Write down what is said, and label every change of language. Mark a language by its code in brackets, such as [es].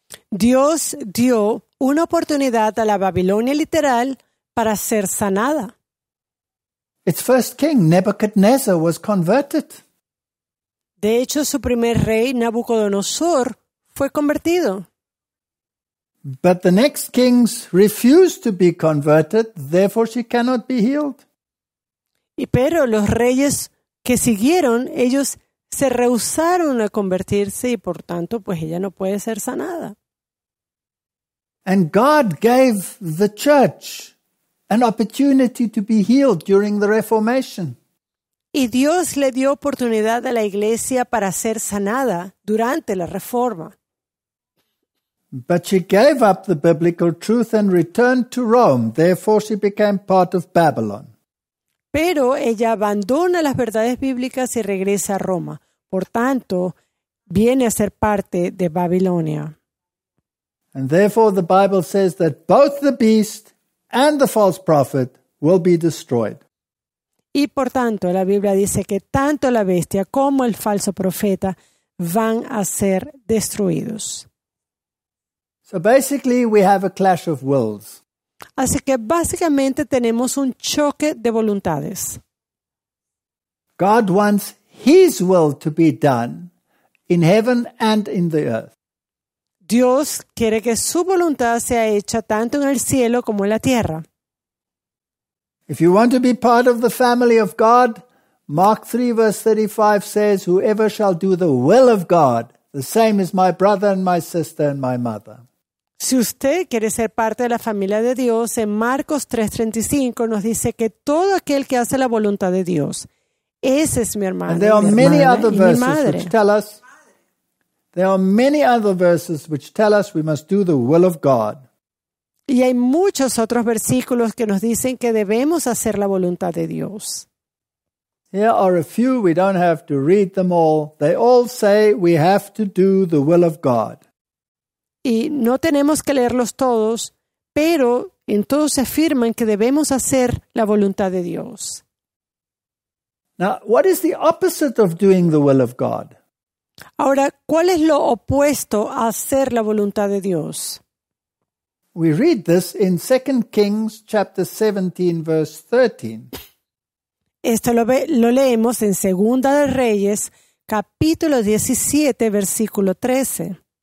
[es] Dios dio una oportunidad a la Babilonia literal para ser sanada. [en] Its first king, Nebuchadnezzar, was converted. [es] De hecho, su primer rey, Nabucodonosor, fue convertido. [en] But the next kings refused to be converted, therefore she cannot be healed. [es] Y pero los reyes que siguieron, ellos se rehusaron a convertirse y por tanto, pues ella no puede ser sanada. [en] And God gave the church an opportunity to be healed during the Reformation. [es] Y Dios le dio oportunidad a la iglesia para ser sanada durante la Reforma. [en] But she gave up the biblical truth and returned to Rome. Therefore, she became part of Babylon. [es] Pero ella abandona las verdades bíblicas y regresa a Roma. Por tanto, viene a ser parte de Babilonia. [en] And therefore, the Bible says that both the beast and the false prophet will be destroyed. [es] Y por tanto, la Biblia dice que tanto la bestia como el falso profeta van a ser destruidos. [en] So basically, we have a clash of wills. [es] Así que básicamente tenemos un choque de voluntades. [en] God wants His will to be done in heaven and in the earth. [es] Dios quiere que su voluntad sea hecha tanto en el cielo como en la tierra. [en] If you want to be part of the family of God, Mark 3 verse 35 says, "Whoever shall do the will of God, the same is my brother and my sister and my mother." [es] Si usted quiere ser parte de la familia de Dios, en Marcos 3:35 nos dice que todo aquel que hace la voluntad de Dios, ese es mi hermano, mi hermana y mi madre. [en] There are many other verses which tell us we must do the will of God. [es] Y hay muchos otros versículos que nos dicen que debemos hacer la voluntad de Dios. [en] Here are a few, we don't have to read them all. They all say we have to do the will of God. [es] Y no tenemos que leerlos todos, pero en todos se afirman que debemos hacer la voluntad de Dios. [en] Now, what is the opposite of doing the will of God? [es] Ahora, ¿cuál es lo opuesto a hacer la voluntad de Dios? [en] We read this in 2 Kings chapter 17 verse 13. [es] Esto lo leemos en Segunda de Reyes, capítulo 17, versículo 13.